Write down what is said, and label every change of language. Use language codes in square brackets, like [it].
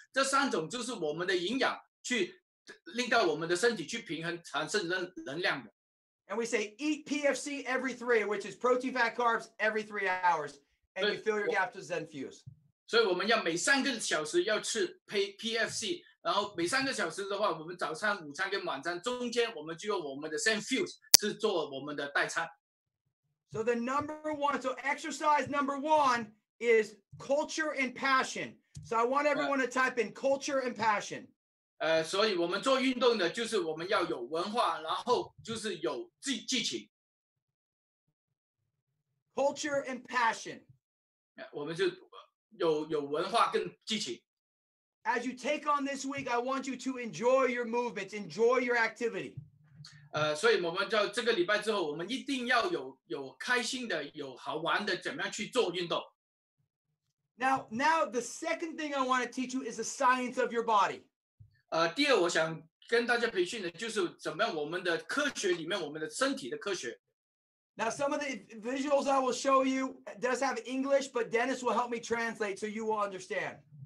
[zh] 这三种就是我们的营养，去令到我们的身体去平衡，产生能量的。 [en] And we say eat PFC every three, which is protein, fat, carbs every 3 hours, and you fill your gap to Zen Fuse. [zh] 所以我们要每三个小时要吃 PFC。然后每三个小时的话，我们早餐、午餐跟晚餐中间，我们就用我们的 ZEN Fuse 是做我们的代餐。 [en] So the number one, so exercise number one is culture and passion. So I want everyone to type in culture and passion. [zh] 所以我们做运动的就是我们要有文化，然后就是有激情。 [en] Culture and passion. [zh] 我们就有文化跟激情。 [en] As you take on this week, I want you to enjoy your movements, enjoy your activity. [zh] 所以我们在这个礼拜之后，我们一定要有开心的、有好玩的，怎么样去做运动。 [en] Now, the second thing I want to teach you is the science of your body. [zh] 第二我想跟大家培训的就是怎么样我们的科学里面我们的身体的科学。 [en] Now, some of the visuals I will show you does have English, but Dennis will help me translate so you will understand.